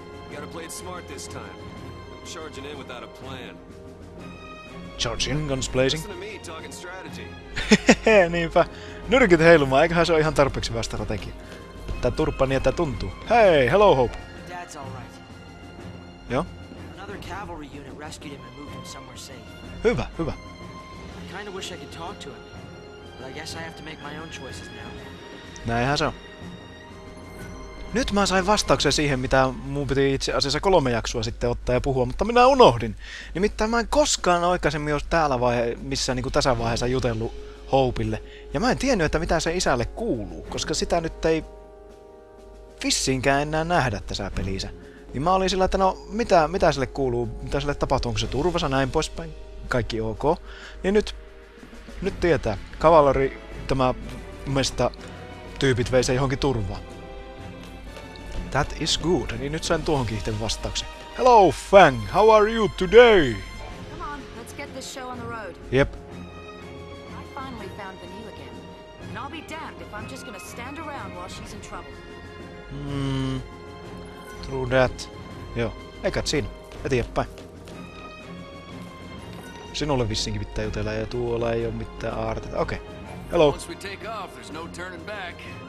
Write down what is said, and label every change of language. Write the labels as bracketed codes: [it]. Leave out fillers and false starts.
[en] Gotta play it smart this time. Charging in without a plan. Charging, guns blazing. Hehehe, [fi] niinpä. Nyrkit heilumaan, eiköhän se ole ihan tarpeeksi hyvä strategia. Tää turppa niin, että tuntuu. [en] Hei, hello Hope. Dad's all right. Joo? Another cavalry unit rescued him and moved him somewhere safe. [fi] Hyvä, hyvä. [en] I kinda wish I could talk to him. But I guess I have to make my own choices now. [fi] Näinhän se on. Nyt mä sain vastauksen siihen, mitä mun piti itse asiassa 3 jaksoa sitten ottaa ja puhua, mutta minä unohdin. Nimittäin mä en koskaan aikaisemmin ole täällä missään niin kuin tässä vaiheessa jutellut Hopeille. Ja mä en tiennyt, että mitä se isälle kuuluu, koska sitä nyt ei vissiinkään enää nähdä tässä pelissä. Niin mä olin sillä, että no mitä sille kuuluu, mitä sille tapahtuu, onko se turvassa, näin poispäin, kaikki ok. Niin nyt tietää, Cavalry, tämä mesta tyypit vei se johonkin turvaan. [en] That is good. [fi] Niin nyt sain tuohon kiihteen vastauksen. [en] Hello, Fang! How are you today? Come on, let's get this show on the road. Yep. I finally found Vanille again. And I'll be damned if I'm just gonna stand around while she's in trouble. True that. [fi] Joo. Eikä siinä. Eteenpäin. Sinulle vissinkin pitää jutella ja tuolla ei oo mitään aartetta. [en] Okei. Okay. Hello. Once we take off, there's no turning back.